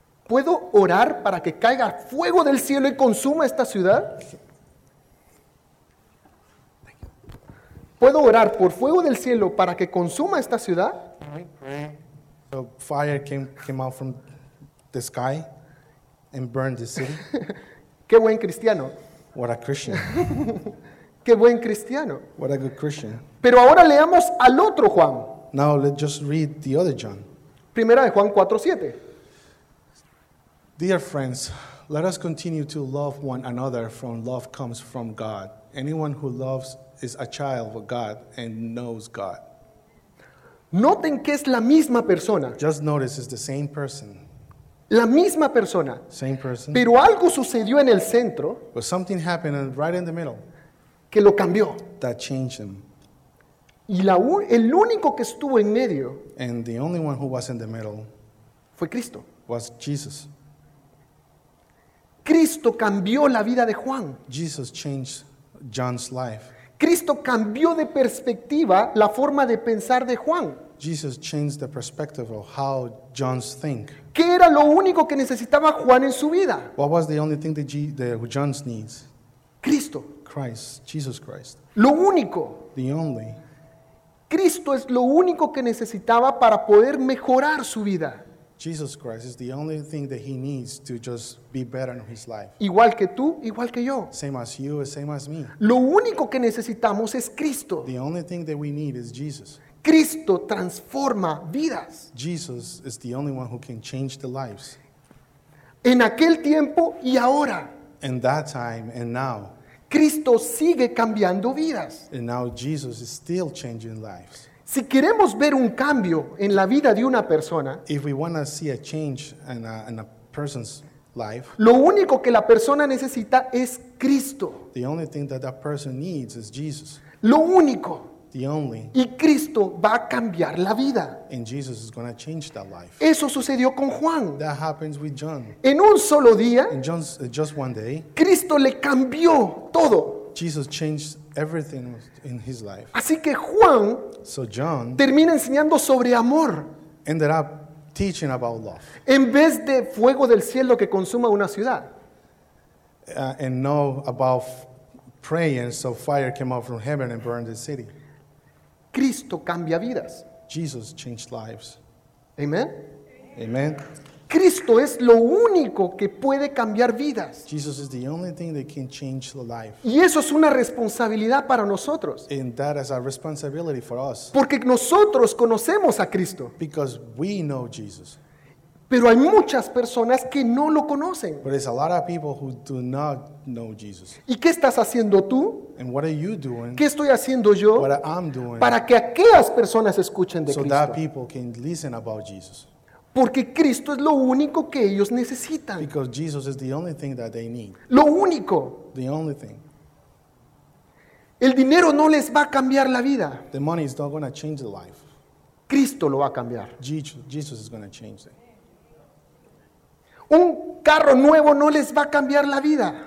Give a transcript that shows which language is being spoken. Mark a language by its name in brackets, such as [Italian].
[Spanish] ¿Puedo orar para que caiga fuego del cielo y consuma esta ciudad? ¿Puedo orar por fuego del cielo para que consuma esta ciudad? [English] So fire came out from the sky and burned the city. [Spanish] Qué buen cristiano. [English] What a Christian. [Spanish] Qué buen cristiano. [English] What a good Christian. [Spanish] Pero ahora leamos al otro Juan. [English] Now let's just read the other John. [Spanish] Primera de Juan 4:7. [English] Dear friends, let us continue to love one another, for love comes from God. Anyone who loves is a child of God and knows God. [Spanish] Noten que es la misma persona. [English] Just notice it's the same person. [Spanish] La misma persona. [English] Same person. [Spanish] Pero algo sucedió en el centro. [English] But something happened right in the middle. [Spanish] Que lo cambió. [English] That changed him. [Spanish] Y el único que estuvo en medio. [English] And the only one who was in the middle. [Spanish] Fue Cristo. [English] Was Jesus. [Spanish] Cristo cambió la vida de Juan. [English] Jesus changed John's life. [Spanish] Cristo cambió de perspectiva la forma de pensar de Juan. [English] Jesus changed the perspective of how John's think. [Spanish] ¿Qué era lo único que necesitaba Juan en su vida? [English] What was the only thing that John's needs? [Spanish] Cristo. Cristo. [English] Christ, Jesus Christ. [Spanish] Lo único. [English] The only. [Spanish] Cristo es lo único que necesitaba para poder mejorar su vida. [English] Jesus Christ is the only thing that he needs to just be better in his life. [Spanish] Igual que tú, igual que yo. [English] Same as you, same as me. [Spanish] Lo único que necesitamos es Cristo. [English] The only thing that we need is Jesus. [Spanish] Cristo transforma vidas. [English] Jesus is the only one who can change the lives. [Spanish] En aquel tiempo y ahora. [English] In that time and now. [Spanish] Cristo sigue cambiando vidas. [English] And now Jesus is still changing lives. [Spanish] Si queremos ver un cambio en la vida de una persona, [English] if we want to see a change in a person's life, [Spanish] lo único que la persona necesita es Cristo. [English] The only thing that person needs is Jesus. [Spanish] Lo único. [English] The only. [Spanish] Y Cristo va a cambiar la vida. [English] And Jesus is going to change that life. [Spanish] Eso sucedió con Juan. [English] That happens with John. [Spanish] En un solo día, [English] in just one day, [Spanish] Cristo le cambió todo. [English] Jesus changed everything in his life. [Spanish] Así que Juan, [English] so John, [Spanish] termina enseñando sobre amor. [English] Ended up teaching about love. [Spanish] En vez de fuego del cielo que consuma una ciudad. [English] And know about praying so fire came out from heaven and burned the city. [Spanish] Cristo cambia vidas. [English] Jesus changed lives. [Spanish] Amen. [English] Amen. [Spanish] Cristo es lo único que puede cambiar vidas. [English] Jesus is the only thing that can change the life. [Spanish] Y eso es una responsabilidad para nosotros. [English] And that is a responsibility for us. [Spanish] Porque nosotros conocemos a Cristo. [English] Because we know Jesus. [Spanish] Pero hay muchas personas que no lo conocen. [English] But there's a lot of people who do not know Jesus. [Spanish] ¿Y qué estás haciendo tú? [English] And what are you doing? [Spanish] ¿Qué estoy haciendo yo? [English] What I'm doing. [Spanish] Para que aquellas personas escuchen de [English] so [Spanish] Cristo. [English] So that people can listen about Jesus. [Spanish] Porque Cristo es lo único que ellos necesitan. [English] Because Jesus is the only thing that they need. [Spanish] Lo único. [English] The only thing. [Spanish] El dinero no les va a cambiar la vida. [English] The money is not going to change the life. [Spanish] Cristo lo va a cambiar. [English] Jesus is going to change it. [Spanish] Un carro nuevo no les va a cambiar la vida.